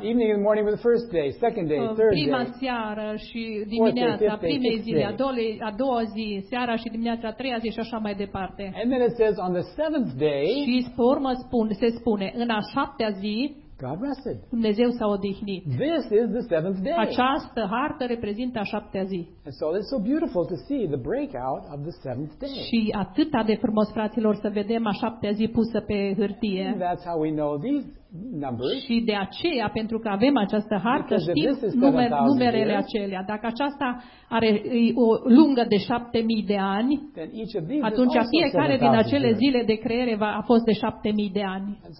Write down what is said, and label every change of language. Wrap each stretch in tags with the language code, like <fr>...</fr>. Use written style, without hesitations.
<en>Evening and morning with the first day, second day, third day.</en> <ro>Prima seară și dimineața, primei zile, a doua zi, seara și dimineața, a treia zi și așa mai departe.</ro> <en>And then it says on the seventh day.</en> <ro>Și formă se spune în a șaptea zi.</ro> <en>God rested.</en> <ro>Dumnezeu s-a odihnit.</ro> <en>This is the seventh day.</en> <ro>Această hartă reprezintă a șaptea zi.</ro> <en>And so it's so beautiful to see the breakout of the seventh day.</en> <ro>Și atât de frumos, fraților, să vedem a șaptea zi pusă pe hârtie.</ro> <en>And that's how we know these numbers.</en> <ro>Și de aceea, pentru că avem această hartă, știm numerele acelea. Dacă aceasta are o lungă de 7,000 de ani, atunci fiecare din acele zile de creiere a fost de 7,000 de ani.</ro>